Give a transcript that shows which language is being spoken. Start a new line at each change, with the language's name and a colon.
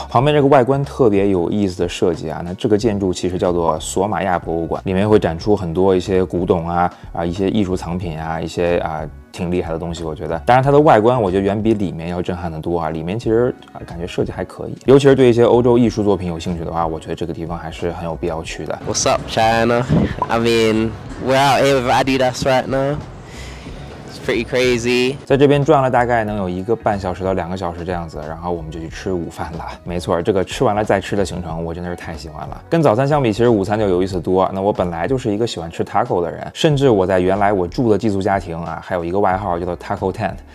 Chinese: 旁边这个外观特别有意思的设计啊，那这个建筑其实叫做索玛亚博物馆，里面会展出很多一些古董啊一些艺术藏品啊，一些啊挺厉害的东西，我觉得。当然它的外观我觉得远比里面要震撼的多啊，里面其实啊感觉设计还可以，尤其是对一些欧洲艺术作品有兴趣的话，我觉得这个地方还是很有必要去的。
English: What's up, China? I mean, we're out here with Adidas right now. It's pretty crazy.
Chinese: 在这边转了大概能有一个半小时到两个小时这样子，然后我们就去吃午饭了。没错，这个吃完了再吃的行程我真的是太喜欢了。跟早餐相比，其实午餐就有意思多。那我本来就是一个喜欢吃 taco 的人，甚至我在原来我住的寄宿家庭啊，还有一个外号叫做 taco tent。